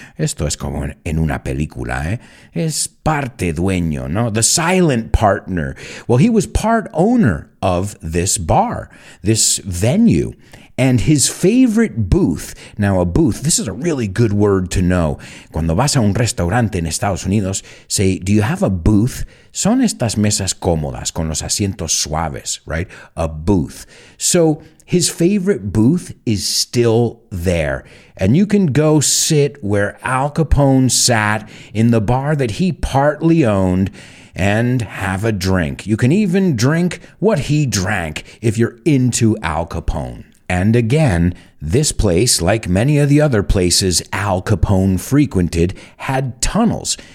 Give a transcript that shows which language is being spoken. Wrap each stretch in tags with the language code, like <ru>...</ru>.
<es>Esto es como en una película, ¿eh? Es parte dueño, ¿no?</es> <en>The silent partner. Well, he was part owner of this bar, this venue. And his favorite booth, now a booth, this is a really good word to know.</en> <es>Cuando vas a un restaurante en Estados Unidos,</es> <en>say, do you have a booth?</en> <es>Son estas mesas cómodas, con los asientos suaves,</es> <en>right? A booth. So his favorite booth is still there. And you can go sit where Al Capone sat in the bar that he partly owned and have a drink. You can even drink what he drank if you're into Al Capone. And again, this place, like many of the other places Al Capone frequented, had tunnels.</en>